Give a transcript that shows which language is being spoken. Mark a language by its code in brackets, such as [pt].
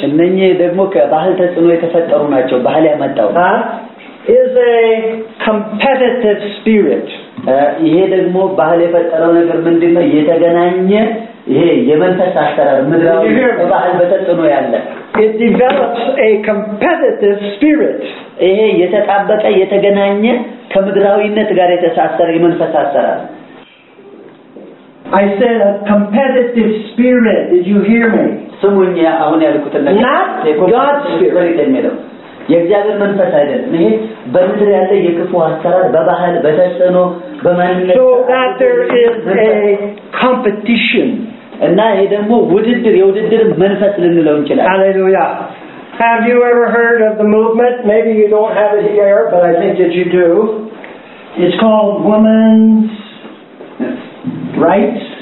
[am] እነኚ ደግሞ ከባህል ተጽኖ የተፈጠሩ ናቸው ባህል ያመጣው [en] is a competitive spirit [am] ይሄ ደግሞ ባህል የፈጠረው ነገር ምንድነው የተገናኘ ይሄ የመንፈስ አስተራር ምድራዊ ባህል በተጽኖ ያለ [en] it develops a competitive spirit [am] ይሄ የተጣበቀ የተገናኘ ከምድራዊነት ጋር የተሳሰረ የመንፈስ አስተራር [en] I said a competitive spirit did you hear me [am] ስሙኝ አሁን ያልኩት ነገር [en] not God's spirit [am] የእግዚአብሔር መንፈስ አይደለም ይሄ በእንድር ያለ የክፉ አስተራር በባህል በተጽኖ በማንነት [en] So that there is a competition [am] እና ይሄ ደግሞ ውድድር የውድድር መንፈስ ልንለው እንችላለን [en] Hallelujah Have you ever heard of the movement maybe you don't have it here but I think that you do It's called women's rights